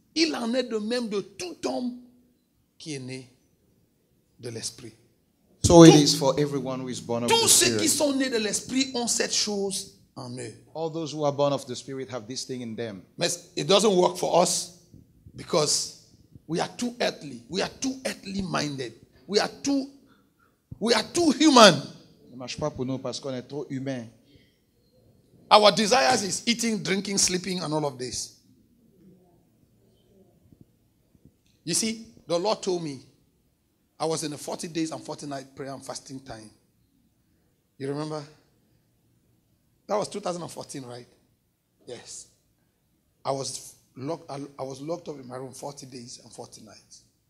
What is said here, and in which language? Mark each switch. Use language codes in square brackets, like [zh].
[fr] Il en est de même de tout homme qui est né de l'esprit. [en] So it is for everyone who is born of the Spirit. [fr] Tous ceux qui sont nés de l'esprit ont cette chose. [en] All those who are born of the Spirit have this thing in them. It doesn't work for us because we are too earthly. We are too earthly minded. We are too human. [fr] Ça marche pas pour nous parce qu'on est trop humain. [en] Our desires is eating, drinking, sleeping, and all of this. You see, the Lord told me I was in a 40 days and 40 night prayer and fasting time. You remember? That was 2014, right? Yes. I was locked up in my room 40 days and 40 nights.